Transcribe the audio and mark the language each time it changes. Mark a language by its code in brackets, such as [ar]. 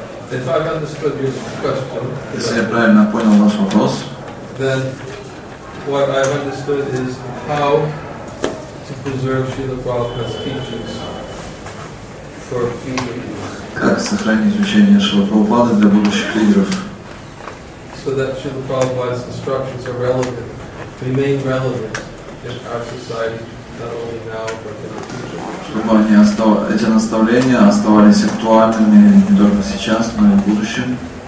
[ru] Если я правильно понял ваш вопрос, [en] then what I've understood is how to preserve Srila Prabhupada's teachings for future leaders. [ru] Как сохранить учение Шрилы Прабхупады для будущих лидеров? [en] So that Srila Prabhupada's instructions are relevant, remain relevant in our society, not only now but in the future. [ru] Чтобы эти наставления оставались актуальными не только сейчас, но и в будущем.